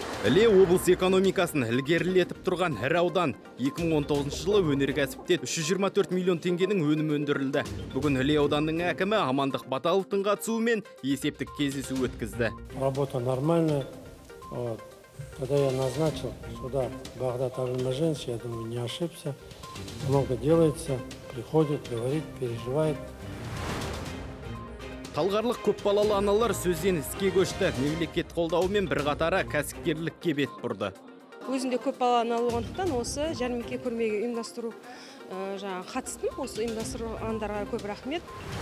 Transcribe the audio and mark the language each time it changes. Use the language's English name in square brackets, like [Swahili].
[Kazakh] Іле облыс экономикасын ілгерілетіп тұрған әр аудан 2019 жылы өнеркәсіпте 324 миллион теңгенің өнімі өндірілді. Бүгін Іле ауданының әкімі Амандық Баталовтың қатысуымен есептік кездесу өткізді. [Russian] Работа нормальная. Вот. Когда я назначил сюда Бахдат Абдулмадженович, я думаю, не ошибся. Много делается, приходит, говорит, переживает. [Kazakh] Талғарлық көппалалы аналар сөзден іске көшті. Мемлекет қолдауымен бірқатары кәсіпкерлікке бет бұрды. Өзінде көппалалы аналы болғандықтан осы жәрмеңке көрмеге ұйымдастыру қатыстым. Осы ұйымдастырғандарға көп рахмет.